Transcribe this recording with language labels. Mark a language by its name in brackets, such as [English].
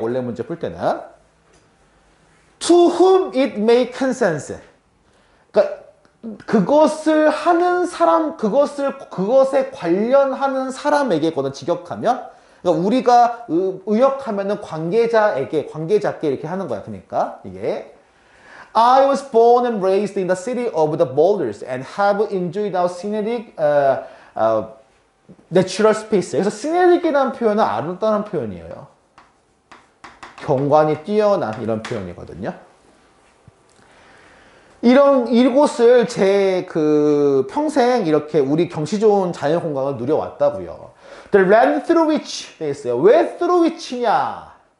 [Korean] 원래 문제 풀 때는. [English] To whom it may concern. [Korean] 그러니까 그것을 하는 사람, 그것을 그것에 관련하는 사람에게거나 직역하면, 그러니까 우리가 의역하면은 관계자에게, 관계자께 이렇게 하는 거야. 그러니까 이게 [English] I was born and raised in the city of the boulders and have enjoyed our scenic natural space. [Korean] 그래서 scenic이라는 표현은 아름다운 표현이에요. 경관이 뛰어난 이런 표현이거든요. 이런 이곳을 제 그 평생 이렇게 우리 경치 좋은 자연 공간을 누려왔다고요. [English] The land through which [Korean] 돼 있어요. 왜 [English] through which냐?